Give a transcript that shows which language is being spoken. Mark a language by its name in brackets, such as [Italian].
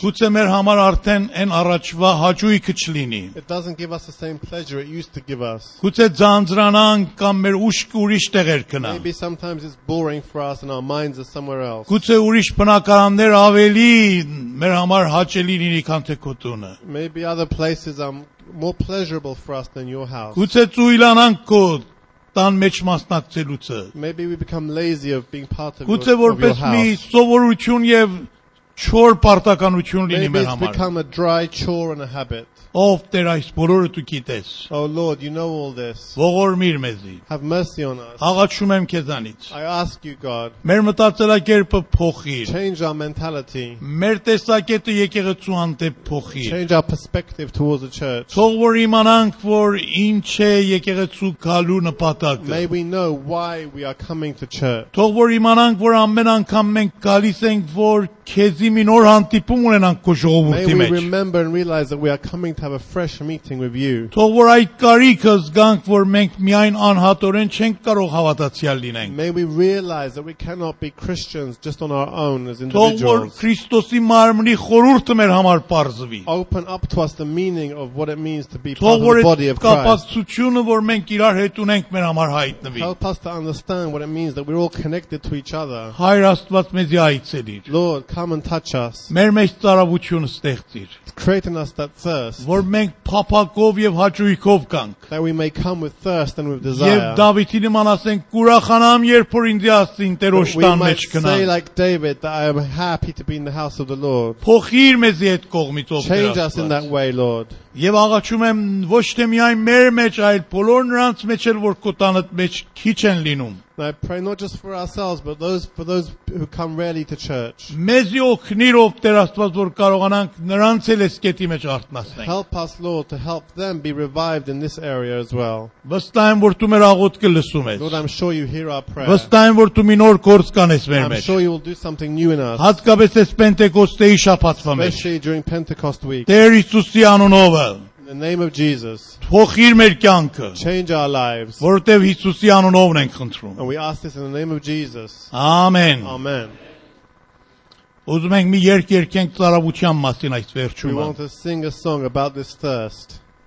[Armenian] Գուցե մեր համար արդեն այն առաջվա հաճույքը չլինի։ [English] It doesn't give us the same pleasure it used to give us. [Armenian] Գուցե ձանձրանանք կամ մեր ուշքը ուրիշ տեղեր գնա։ [English] Maybe sometimes it's boring for us and our minds are somewhere else. [Armenian] Գուցե ուրիշ բնակարաններ ավելի մեր համար հաճելի լինի, քան թե քո տունը։ [English] Maybe other places are more pleasurable for us than your house. [Armenian] Գուցե ծույլանանք քո տան մեջ մասնակցելուցը [English] Maybe we become lazy of being part of [Armenian] Գուցե որպես մի սովորություն եւ Չոր պարտականություն լինի մեր համար։ [English] It become a dry chore and a habit. [Armenian] Ով դեր այս բոլորը դու գիտես։ [English] Oh Lord, you know all this. [Armenian] Ողորմիր մեզի։ [English] Have mercy on us. [Armenian] Աղաչում եմ քեզանից։ [English] I ask you God. [Armenian] Մեր մտածելակերպը փոխիր։ [English] Change our mentality. [Armenian] Մեր տեսակետը եկեղեցու հանդեպ փոխիր։ [English] Change our perspective towards the church. [Armenian] Թող որ իմանանք, որ ինչ է եկեղեցու գալու նպատակը։ [English] May we know why we are coming to church. [Armenian] Թող որ իմանանք, որ ամեն անգամ մենք գալիս ենք, որ քեզի մի նոր հանդիպում ունենանք քո ժողովրդի մեջ։ [English] May we remember and realize that we are coming to have a fresh meeting with you. [Armenian] Թող որ այդ կարիքը զգանք, որ մենք միայն անհատորեն չենք կարող հավատացյալ լինենք. [English] May we realize that we cannot be Christians just on our own as individuals. [Armenian] Թող որ Քրիստոսի մարմնի խորհուրդը մեր համար պարզվի. [English] Open up to us the meaning of what it means to be part of the body of Christ. [Armenian] Թող որ կապացությունը, որ մենք իրար հետ ունենք, մեր համար հայտնվի. [English] Help us to understand what it means that we're all connected to each other. [Armenian] Հայր Աստված, մեզի այցելիր. [English] Lord, come and touch us. [Armenian] Մեր մեջ ծարավություն ստեղծիր. [English] Create in us that thirst. [Armenian] Որ մենք փափակով եւ հաճույքով կանք։ [English] That we may come with thirst and with desire. [Armenian] Եվ Դավիթի նման ասենք, ուրախանամ, երբ որ ինձ Աստծուն տերոշտան մեջ կնա։ [English] We may say like David that I am happy to be in the house of the Lord. [Armenian] Փոխիր մեզի այդ կողմից, օ Աստված։ [English] Change us in that way, Lord. [Armenian] Եվ աղաչում եմ ոչ թե միայն մեր մեջ, այլ բոլոր նրանց մեջ, որ կոտանդ մեջ քիչ են լինում։ [English] I pray not just for ourselves but for those who come rarely to church. [Armenian] Մեզի օգնիր, ով Տեր Աստված, որ կարողանանք նրանց էլ այս կետի մեջ արթնացնել. [English] Help us Lord to help them be revived in this area as well. [Armenian] Վստահեմ, որ դու մեր աղոթքը լսում ես. [English] Lord, I'm sure you hear our prayer. [Armenian] Վստահեմ, որ դու մի նոր գործ կանես մեր մեջ. [English] I'm sure you will do something new in us. [Armenian] Հատկապես այս Պենտեկոստեի շաբաթվա մեջ. [English] Especially during Pentecost week. [Armenian] Տեր Իսուսի անունով. [English] In the name of Jesus. [Armenian] Փոխիր մեր կյանքը. [English] Change our lives. [Armenian] Որտեւ Հիսուսի անունով ենք խնդրում. [English] And we ask this in the name of Jesus. Amen. Amen. [Armenian] Ուզում ենք մի երգ երգենք ծարավության մասին այս վերջում. [English] We want to sing a song about this thirst.